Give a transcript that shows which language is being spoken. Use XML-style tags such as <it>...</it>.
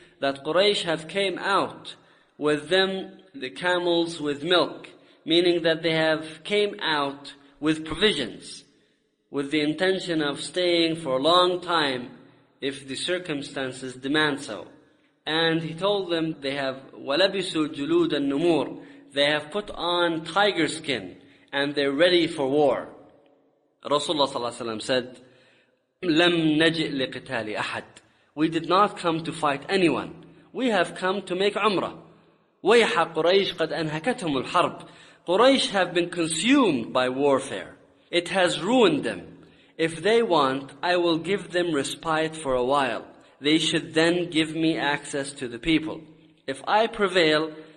<en>That Quraysh have came out with them the camels with milk, meaning that they have came out with provisions, with the intention of staying for a long time if the circumstances demand so. And he told them they have</en> <ar>وَلَبِسُوا جُلُودَ النُّمُورِ.</ar> <en>They have put on tiger skin and they're ready for war.</en> <ar>Rasulullah صلى الله عليه وسلم</ar> <en>said,</en> <ar>لَمْ نَجِئْ لِقِتَالِ أَحَدٍ.</ar> <en>We did not come to fight anyone. We have come to make Umrah.</en> <ar>وَيْحَ قُرَيْشِ قَدْ أَنْهَكَتْهُمُ الْحَرْبِ.</ar> <en>Quraysh have been consumed by warfare. It has ruined them. If they want, I will give them respite for a while. They should then give me access to the people. If I prevail</en>